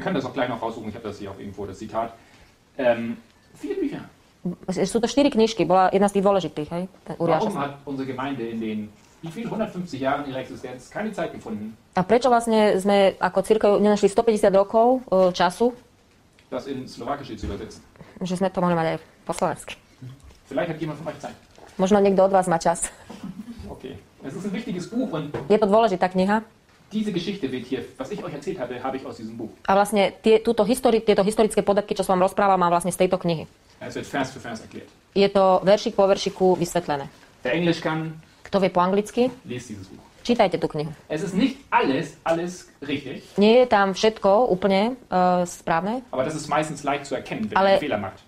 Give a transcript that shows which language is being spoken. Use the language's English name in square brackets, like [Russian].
[German] Wir können das auch gleich noch raussuchen, ich habe das hier auf irgendwo, das Zitat. Vier Bücher. [Slovak] Sú to štyri knižky, bola jedna z tých dôležitých, hej. [German] Warum hat unsere Gemeinde in den... Wie viel 150 Jahren ihre Existenz keine Zeit gefunden. [Slovak] A prečo vlastne sme ako cirkev nenašli 150 rokov času? [German] Das in slovakisch zu übersetzen. [Slovak] Že sme to mohli mať aj po slovensky. [German] Vielleicht hat jemand von euch Zeit. [Slovak] Možno niekto od vás má čas. Okay. [German] Es ist ein wichtiges Buch und [Slovak] je to dôležitá kniha. [German] Diese Geschichte wird hier, was ich euch erzählt habe, habe ich aus diesem Buch. [Slovak] A vlastne tieto historické podatky, čo som vám rozprával, mám vlastne z tejto knihy. [German] Es wird Vers für Vers erklärt. [Slovak] Je to veršik po veršiku vysvetlené. [German] Der Englisch kann. [Slovak] Kto vie po anglicky? Čítajte tú knihu. [German] Es ist nicht alles richtig. [Slovak] Nie je tam všetko úplne správne. [German] Aber das ist meistens leicht zu erkennen, wenn man einen Fehler macht.